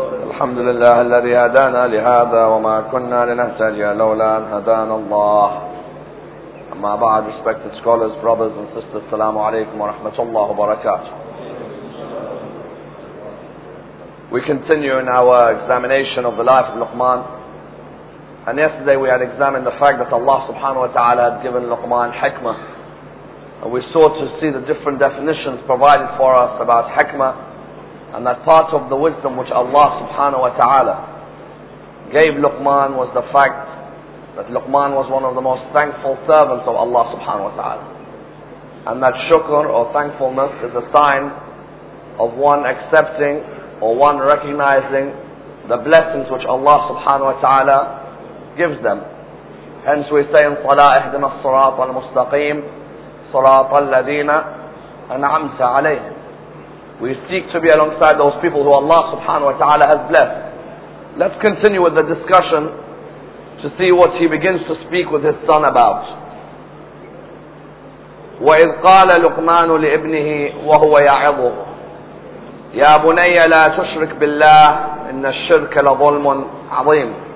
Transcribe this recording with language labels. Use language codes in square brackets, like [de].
[ar] الحمد لله الذي هدانا لهذا وما كنا لنهتدي لولا أن هدانا الله. أما بعد, [en] respected scholars, brothers and sisters, [ar] السلام عليكم ورحمة الله وبركاته. [en] We continue in our examination of the life of Luqman. And yesterday we had examined the fact that Allah subhanahu wa ta'ala had given Luqman hikmah. And we sought to see the different definitions provided for us about hikmah. And that part of the wisdom which Allah subhanahu wa ta'ala gave Luqman was the fact that Luqman was one of the most thankful servants of Allah subhanahu wa ta'ala. And that shukr or thankfulness is a sign of one accepting or one recognizing the blessings which Allah subhanahu wa ta'ala gives them. Hence we say in Salah, [ar] اهدنا الصراط المستقيم صراط الذين أنعمت عليهم. [en] We seek to be alongside those people who Allah subhanahu wa ta'ala has blessed. Let's continue with the discussion to see what he begins to speak with his son about. [ar] وَإِذْ قَالَ لُقْمَانُ لِإِبْنِهِ وَهُوَ يَعِظُهُ يَا بُنَيَّ لَا تُشْرِكْ بِاللَّهِ إِنَّ الشِّرْكَ لَظُلْمٌ عَظِيمٌ.